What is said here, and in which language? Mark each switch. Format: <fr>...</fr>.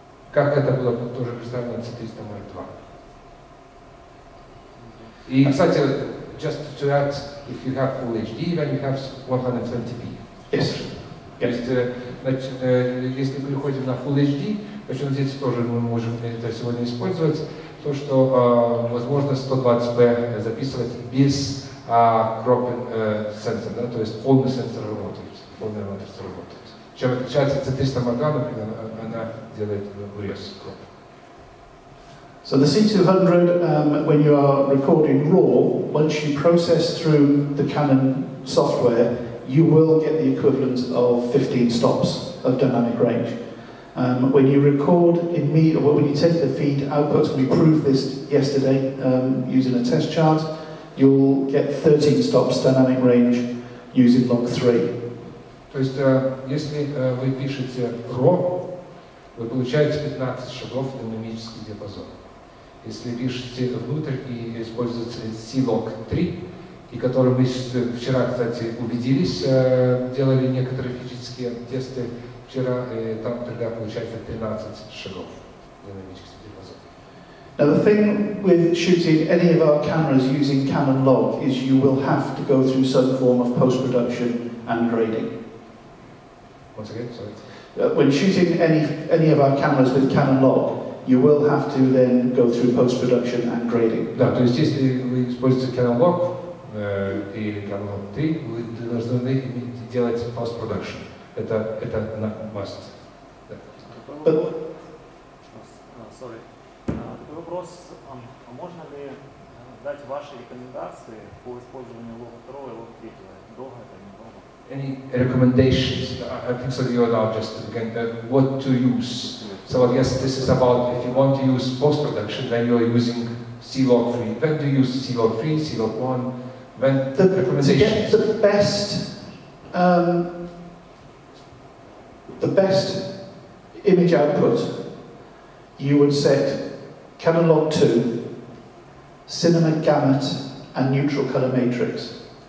<ru>Как это было тоже представлено на C300 Mark II. И, кстати,</ru> <en>just to add, if you have Full HD, then you have 120p. Yes.</en> <ru>То есть, значит, если переходим на Full HD, почему здесь тоже мы можем это сегодня использовать, то, что возможно 120p записывать без cropping sensor, да, то есть полный сенсор работает, полный матрица работает. Чем отличается C300 Mark II, например, она делает урез кроп.</ru> <en>So the C200, when you are recording RAW, once you process through the Canon software, you will get the equivalent of 15 stops of dynamic range. When you record in media, when you take the feed outputs, we proved this yesterday using a test chart, you'll get 13 stops dynamic range using log 3.</en> <ru>То есть, если вы пишете RAW, вы получаете 15 шагов динамический диапазон. Если пишете внутрь и используете C-Log 3, и который мы вчера, кстати, убедились, делали некоторые физические тесты вчера, и там тогда получается 13 шагов динамических диапазонов.</ru> <en>Now the thing with shooting any of our cameras using Canon Log is you will have to go through some form of post-production and grading. Once again, sorry. When shooting any of our cameras with Canon Log, you will have to then go through post-production and grading.</en> <ru>Да, то есть если вы используете Canon Log, или Canon Log 3, вы должны делать post-production. Это на must. Такой вопрос, а можно ли дать ваши рекомендации по использованию Log 2 и Log 3? Долго это не долго?</ru> <en>Any recommendations? I think so you are now just again, what to use. So I guess this is about if you want to use post-production, then you are using C-Log3. When do you use C-Log3, C-Log1? When the recommendations? To get the best image output, you would set Canon Log2, Cinema Gamut, and Neutral Color Matrix.</en>